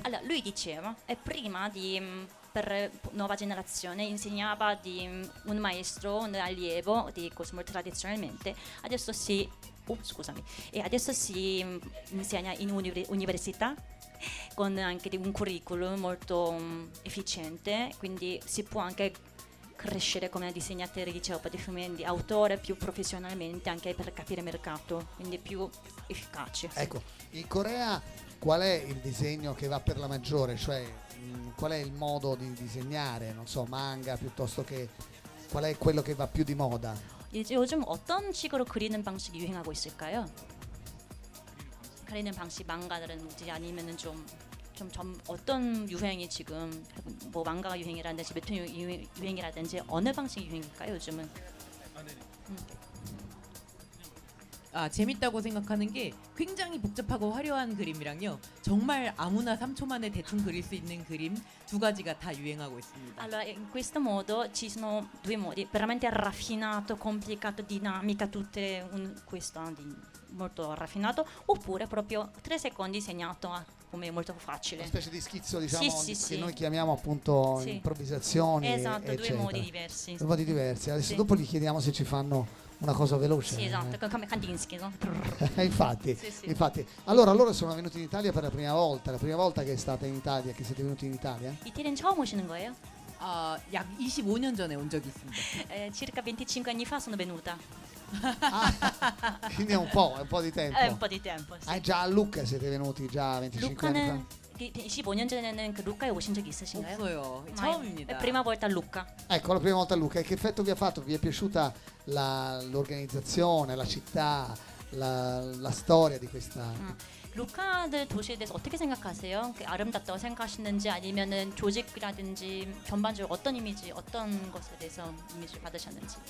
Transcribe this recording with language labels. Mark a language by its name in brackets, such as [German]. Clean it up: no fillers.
[Italian] Allora, lui diceva, è prima di per nuova generazione insegnava di un maestro, un allievo di Cosmo tradizionalmente, adesso si insegna in università con anche di un curriculum molto efficiente, quindi si può anche crescere come disegnatore, dicevo, per definirmi autore più professionalmente, anche per capire il mercato, quindi più efficace. Ecco, in Corea qual è il disegno che va per la maggiore? Cioè, qual è il modo di disegnare, non so, manga piuttosto, che qual è quello che va più di moda? [Korean] 이제 요즘 어떤 식으로 그리는 방식이 유행하고 있을까요? 그리는 방식 망가들은지 아니면은 좀 좀 어떤 유행이 지금 뭐 망가가 유행이라든지 웹툰 유행이라든지 어느 방식이 유행일까요 요즘은? 아 재밌다고 생각하는 게 굉장히 복잡하고 화려한 그림이랑요 정말 아무나 3초 만에 대충 그릴 수 있는 그림 두 가지가 다 유행하고 있습니다. [Italian] Allora in questo modo ci sono due modi veramente raffinato, complicato, dinamica tutte un questo di molto raffinato oppure proprio 3 secondi segnato a come molto facile. Una specie di schizzo, diciamo, che noi chiamiamo appunto improvvisazioni. Esatto, eccetera. Due modi diversi. Adesso dopo gli chiediamo se ci fanno una cosa veloce. Sì, esatto, come Kandinsky, no? infatti. Allora, loro sono venuti in Italia per la prima volta. La prima volta che è stata in Italia, che siete venuti in Italia? [Korean] Italian 처음 오시는 거예요? 약 25년 전에 온 적이 있습니다. [Italian] Circa 25 anni fa sono venuta. Ah, quindi è un po' di tempo. È un po' di tempo, sì. Ah, già a Lucca siete venuti già 25 anni fa? [Korean] 25년 전에는 그 루카에 오신 적이 있으신가요? 없어요. 처음입니다. [Italian] Prima volta a Lucca. Ecco, la prima volta a Lucca. E che effetto vi ha fatto? Vi è piaciuta l'organizzazione, la città, la storia di questa? [Korean] Lucca 도시에 대해서 어떻게 생각하세요? 아름답다고 생각하시는지 아니면은 조직이라든지 전반적으로 어떤 이미지, 어떤 것에 대해서 이미지를 받으셨는지?